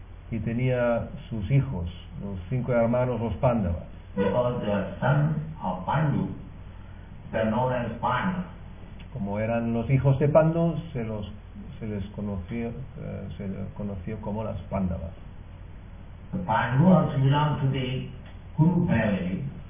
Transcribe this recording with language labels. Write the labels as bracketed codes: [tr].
[es] Y tenía sus hijos, los cinco hermanos, los Pandavas. [en] Because they were sons of Pandu, they are known as Pandu. [es] Como eran los hijos de Pandu, se les conoció como las Pandavas. [en] The Pandu also belonged to the Kuru family.